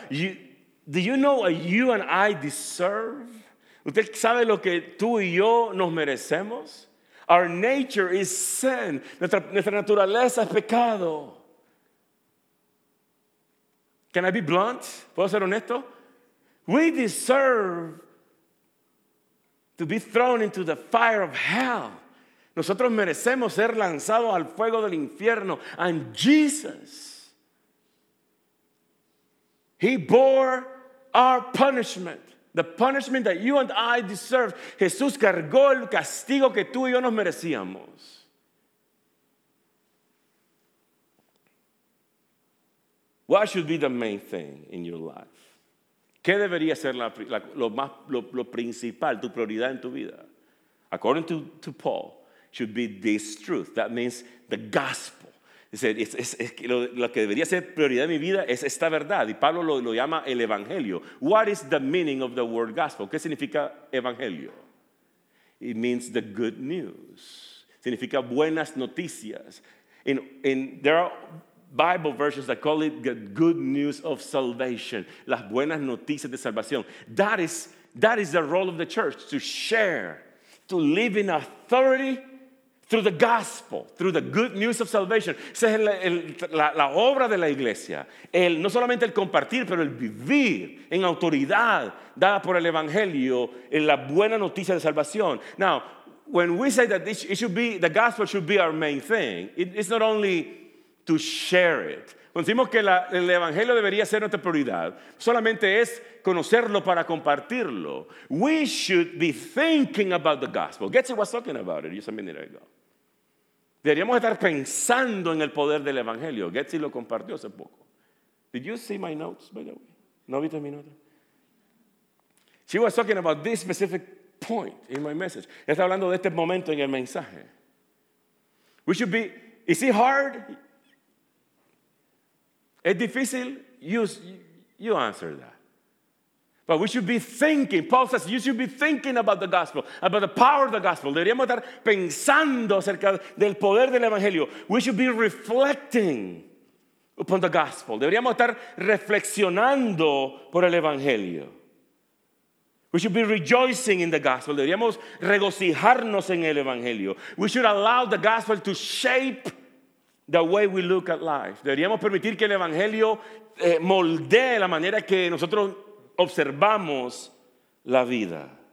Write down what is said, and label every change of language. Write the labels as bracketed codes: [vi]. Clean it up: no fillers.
[en] Do you know what you and I deserve? [es] ¿Usted sabe lo que tú y yo nos merecemos? [en] Our nature is sin. [es] Nuestra naturaleza es pecado. [en] Can I be blunt? [es] ¿Puedo ser honesto? [en] We deserve to be thrown into the fire of hell. [es] Nosotros merecemos ser lanzados al fuego del infierno. [en] And Jesus, he bore our punishment, the punishment that you and I deserve. [es] Jesús cargó el castigo que tú y yo nos merecíamos. [en] What should be the main thing in your life? [es] ¿Qué debería ser lo principal, tu prioridad en tu vida? [en] According to Paul, should be this truth. That means the gospel. [es] Dice, lo que debería ser prioridad en mi vida es esta verdad. Y Pablo lo llama el evangelio. [en] What is the meaning of the word gospel? [es] ¿Qué significa evangelio? [en] It means the good news. [es] Significa buenas noticias. [en] In there are Bible versions that call it the good news of salvation. [es] Las buenas noticias de salvación. [en] That is the role of the church, to share, to live in authority, through the gospel, through the good news of salvation. [es] Esa es la obra de la iglesia. No solamente el compartir, pero el vivir en autoridad dada por el evangelio, en la buena noticia de salvación. [en] Now, when we say that it should be, the gospel should be our main thing, it's not only to share it. [es] Cuando decimos que el evangelio debería ser nuestra prioridad, solamente es conocerlo para compartirlo. [en] We should be thinking about the gospel. Getsy was talking about it just a minute ago. [es] Deberíamos estar pensando en el poder del evangelio. Getsy lo compartió hace poco. [en] Did you see my notes, by the way? [es] ¿No viste mi nota? [en] She was talking about this specific point in my message. [es] Ella está hablando de este momento en el mensaje. [en] We should be, is it hard? [es] ¿Es difícil? [en] You answer that. But we should be thinking, Paul says, you should be thinking about the gospel, about the power of the gospel. [es] Deberíamos estar pensando acerca del poder del evangelio. [en] We should be reflecting upon the gospel. [es] Deberíamos estar reflexionando por el evangelio. [en] We should be rejoicing in the gospel. [es] Deberíamos regocijarnos en el evangelio. [en] We should allow the gospel to shape the way we look at life. [es] Deberíamos permitir que el evangelio moldee la manera que nosotros observamos la vida.